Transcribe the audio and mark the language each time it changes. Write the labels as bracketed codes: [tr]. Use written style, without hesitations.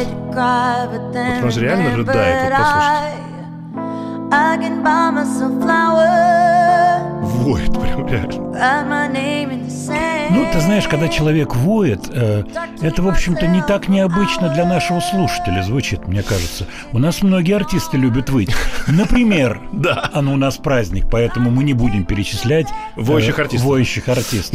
[ru] Вот она же реально рыдает. Вот послушайте. [en] I can buy myself flowers. [ru] Воет прям реально. Ну, ты знаешь, когда человек воет, это, в общем-то, не так необычно для нашего слушателя звучит, мне кажется. У нас многие артисты любят выть. Например, да. А ну, у нас праздник, поэтому мы не будем перечислять воющих артистов. Воющих артистов.